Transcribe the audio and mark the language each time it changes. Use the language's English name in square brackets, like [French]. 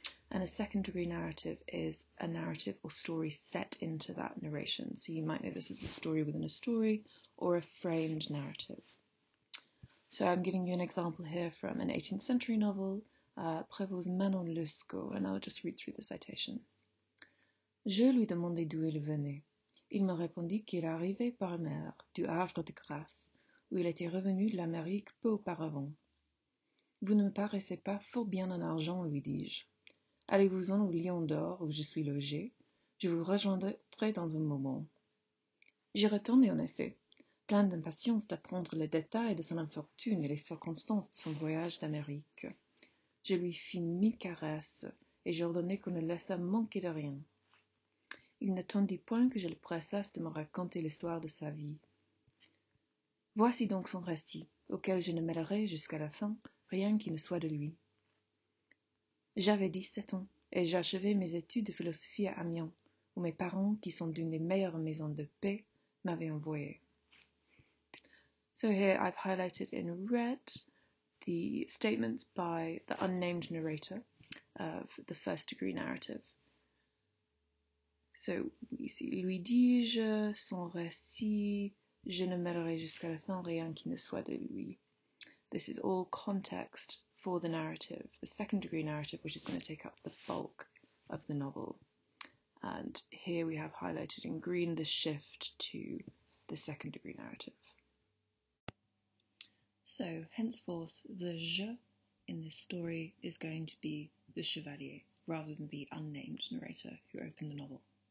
[English] And a second degree narrative is a narrative or story set into that narration. So you might know this as a story within a story or a framed narrative. So I'm giving you an example here from an 18th century novel, Prévost's Manon Lescaut, and I'll just read through the citation. [French] Je lui demandai d'où il venait. Il me répondit qu'il arrivait par mer, du Havre de Grâce, où il était revenu de l'Amérique peu auparavant. Vous ne me paraissez pas fort bien en argent, lui dis-je. Allez-vous-en au Lion d'Or, où je suis logé. Je vous rejoindrai dans un moment. J'y retournai en effet, plein d'impatience d'apprendre les détails de son infortune et les circonstances de son voyage d'Amérique. Je lui fis mille caresses, et j'ordonnai qu'on ne laissât manquer de rien. Il n'attendit point que je le pressasse de me raconter l'histoire de sa vie. Voici donc son récit, auquel je ne mêlerai jusqu'à la fin rien qui ne soit de lui. J'avais 17 ans, et j'achevais mes études de philosophie à Amiens, où mes parents, qui sont d'une des meilleures maisons de paix, m'avaient envoyé. [English] So here I've highlighted in red the statements by the unnamed narrator of the first degree narrative. So, we see, [French] lui dis-je, son récit, je ne mêlerai jusqu'à la fin rien qui ne soit de lui. [English] This is all context for the narrative, the second degree narrative, which is going to take up the bulk of the novel. And here we have highlighted in green the shift to the second degree narrative. So, henceforth, the je in this story is going to be the chevalier, rather than the unnamed narrator who opened the novel.